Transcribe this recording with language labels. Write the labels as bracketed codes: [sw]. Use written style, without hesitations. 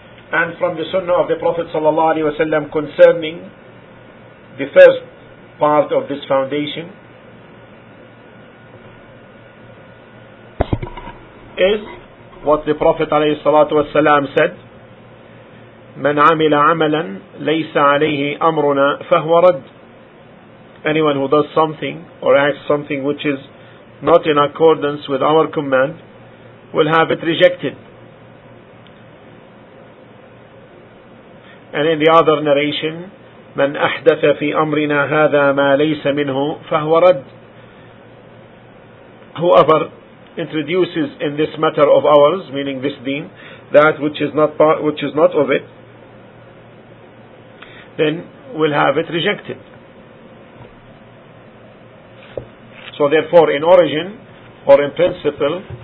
[en] And from the sunnah of the Prophet sallallahu alaihi wasallam concerning the first part of this foundation is what the Prophet alayhi salatu wasallam said, [ar] من عمل عملا ليس عليه أمرنا فهو رد. [en] Anyone who does something or acts something which is not in accordance with our command will have it rejected. And in the other narration, [ar] من أحدث في أمرنا هذا ما ليس منه فهو رد. [en] Whoever introduces in this matter of ours, meaning this deen, that which is not of it, then will have it rejected. So therefore, in origin or in principle,